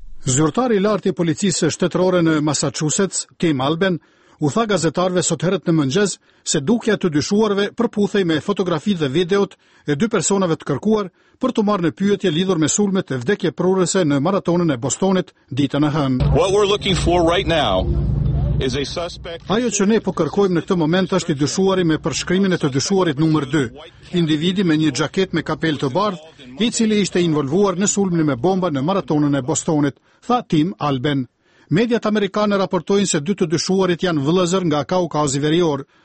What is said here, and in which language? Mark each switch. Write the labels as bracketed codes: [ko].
[sq] Zyrtari i lartë i policisë shtetërore në Massachusetts, Tim Alben, u tha gazetarve sot herët në mëngjes se dukja të dyshuarve përputhej me fotografitë dhe videot e dy personave të kërkuar për të marrë në pyetje lidhur me sulmet e vdekje prurëse në maratonën e Bostonit ditën e hënë. [en] What we're looking for right now is a suspect. [sq] Ajo që ne po kërkojmë në këtë moment është i dyshuari me përshkrimin e të dyshuarit numër 2, individi me një xhaketë me kapel të bardhë, i cili ishte involvuar në sulmin me bomba në maratonën e Bostonit, tha Tim Alben. Mediat amerikane raportojnë se dy të dyshuarit janë vëllëzër nga Kaukazi Verior.